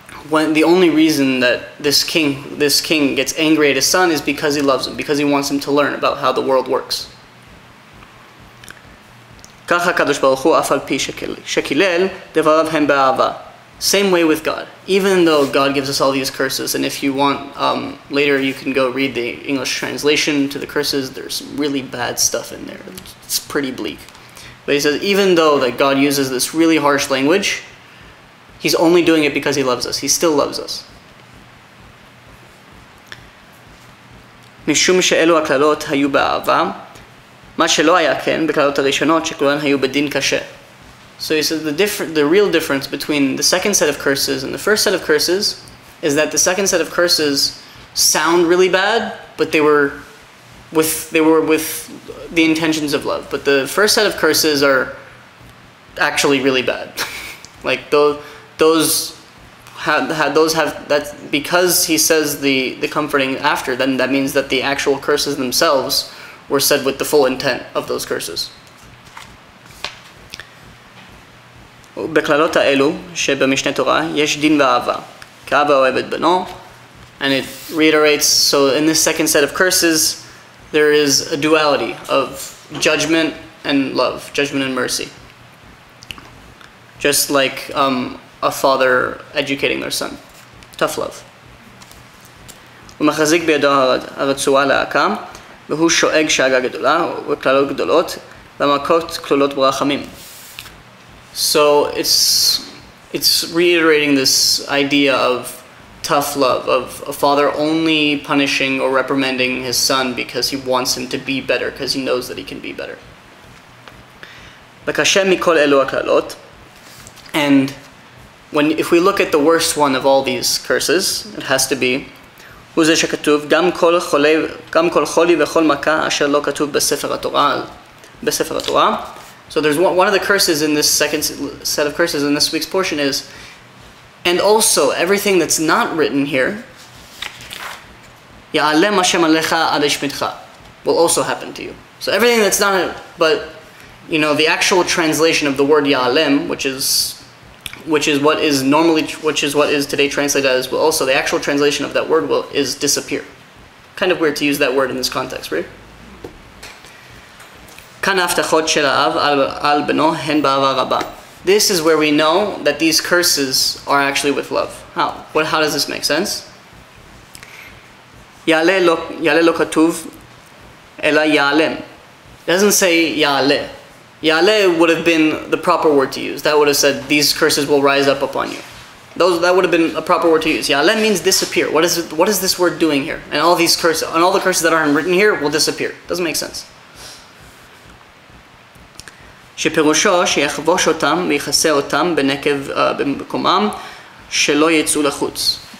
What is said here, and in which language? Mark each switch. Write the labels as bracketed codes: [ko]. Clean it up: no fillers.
[en] When the only reason that this king gets angry at his son is because he loves him, because he wants him to learn about how the world works. [he] ככה הקדוש ברוך הוא אף על פי שקילל דבריו הם באהבה. [en] Same way with God. Even though God gives us all these curses, and if you want, later you can go read the English translation to the curses, there's some really bad stuff in there. It's pretty bleak. But he says, even though that God uses this really harsh language, he's only doing it because he loves us. He still loves us. [he] משום שאלו הקללות היו באהבה, מה שלא היה כן בקללות הראשונות שכולן היו בדין קשה. [en] So he says the real difference between the second set of curses and the first set of curses is that the second set of curses sound really bad, but they were with the intentions of love. But the first set of curses are actually really bad. Like those have that, because he says the comforting after, then that means that the actual curses themselves were said with the full intent of those curses. [he] בקללות האלו שבמשנה תורה יש דין ואהבה, כאבא אוהב את בנו. [en] And it reiterates, so in this second set of curses, there is a duality of judgment and love, judgment and mercy. Just like a father educating their son. Tough love. [he] ומחזיק בידו הרצועה להקם, והוא שואג שאגה גדולה וקללות גדולות והמכות כלולות ברחמים. [en] So it's reiterating this idea of tough love, of a father only punishing or reprimanding his son because he wants him to be better, because he knows that he can be better. [he] וקשה מכל אלו הקללות. [en] And when, if we look at the worst one of all these curses, it has to be [he] הוא זה שכתוב גם כל חולי, גם כל חולי וכל מכה אשר לא כתוב בספר התורה, בספר התורה. [en] So there's one of the curses in this second set of curses in this week's portion is, and also everything that's not written here, [he] יעלם השם עליך עד השמיתך, [en] will also happen to you. So everything that's not, but you know, the actual translation of the word yaalem, which is today translated as, will also, the actual translation of that word will is disappear. Kind of weird to use that word in this context, right? [he] כאן ההבטחות של האב על בנו הן באהבה רבה. [en] This is where we know that these curses are actually with love. How? Well, how does this make sense? [he] יעלה לא כתוב, אלא יעלם. [en] It doesn't say יעלה. Yale would have been the proper word to use. That would have said, these curses will rise up upon you. That would have been a proper word to use. Yale means disappear. What is this word doing here? And all these curses, and all the curses that aren't written here will disappear. Doesn't make sense. [he] שפירושו שיחבוש אותם ויחסה אותם בנקב במקומם שלא יצאו לחוץ.